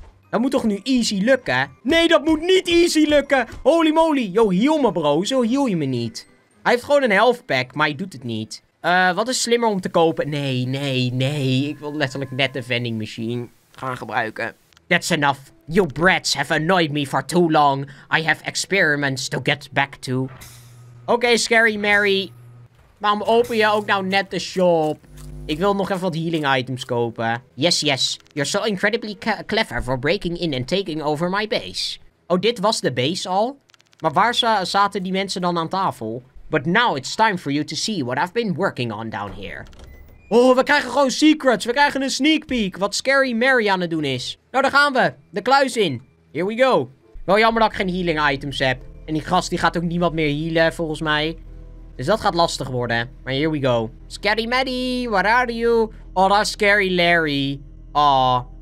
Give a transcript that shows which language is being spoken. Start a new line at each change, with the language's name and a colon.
Dutch: Dat moet toch nu easy lukken? Nee, dat moet niet easy lukken.
English: Holy moly. Yo, heal me, bro.
Dutch: Zo heal je me niet. Hij heeft gewoon een health pack, maar hij doet het niet. Wat is slimmer om te kopen? Nee, nee, nee. Ik wil letterlijk net de vending machine gaan gebruiken.
English: That's enough. You brats have annoyed me for too long. I have experiments to get back to.
Dutch: Oké, Scary Mary. Waarom open je ook nou net de shop? Ik wil nog even wat healing items kopen. Yes, yes.
English: You're so incredibly clever for breaking in and taking over my base.
Dutch: Oh, dit was de base al? Maar waar zaten die mensen dan aan tafel?
English: But now it's time for you to see what I've been working on down here.
Dutch: Oh, we krijgen gewoon secrets. We krijgen een sneak peek. Wat Scary Mary aan het doen is. Nou, daar gaan we. De kluis in.
English: Here we go.
Dutch: Wel jammer dat ik geen healing items heb. En die gast die gaat ook niemand meer healen, volgens mij. Dus dat gaat lastig worden. Maar here we go.
English: Scary Maddie, what are you?
Dutch: Oh, dat is Scary Larry. Aw.